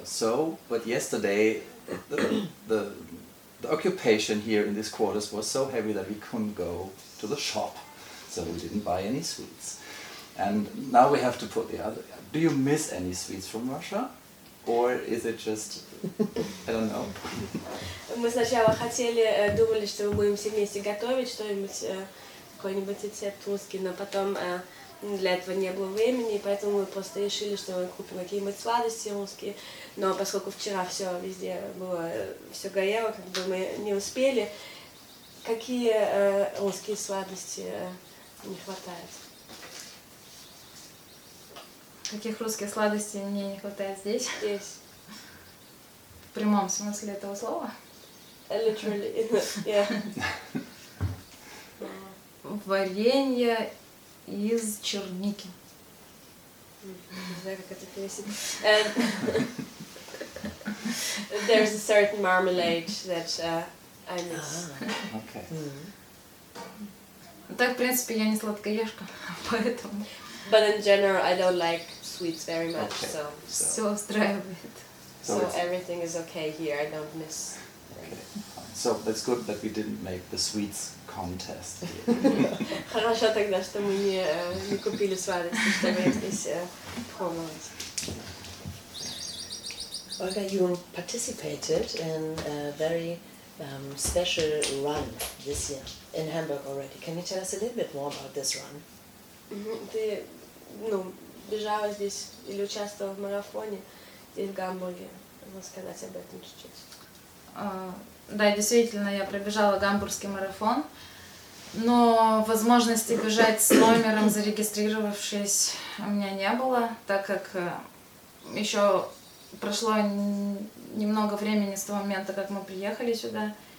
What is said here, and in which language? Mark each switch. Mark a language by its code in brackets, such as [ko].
[en] So, but yesterday, the occupation here in these quarters was so heavy that we couldn't go to the shop, so we didn't buy any sweets. And now we have to put the other... Do you miss any sweets from Russia? Or is it just... I don't know. [ru] Мы сначала хотели, думали, что мы будем все вместе готовить что-нибудь, какой-нибудь рецепт русский, но потом... Для этого не было времени, поэтому мы просто решили, что мы купим какие-нибудь сладости русские. Но поскольку вчера все везде было, все горело, как бы мы не успели. Какие русские сладости не хватает? Каких русских сладостей мне не хватает здесь? Здесь. В прямом смысле этого слова? [en] Literally, yeah. [ru] Варенье... Из черники. Не знаю, как это пересечь. [en] There's a certain marmalade that I miss. Okay. Mm-hmm. [ru] Так, в принципе, я не сладкоежка, поэтому. [en] But in general, I don't like sweets very much, okay. So. [ru] Все устраивает. [en] So everything is okay here. I don't miss. Okay. So it's good that we didn't make the sweets contest. [ru] Хорошо тогда, что мы не купили сладости, чтобы здесь промолоть. [en] Olga, you participated in a very special run this year in Hamburg already. Can you tell us a little bit more about this run? [ru] Ты, ну, бежала здесь или участвовала в марафоне здесь в Гамбурге? Можешь сказать об этом чуть-чуть? Да, действительно, я пробежала гамбургский марафон, но возможности бежать с номером, зарегистрировавшись, у меня не было, так как еще прошло немного времени с того момента, как мы приехали сюда.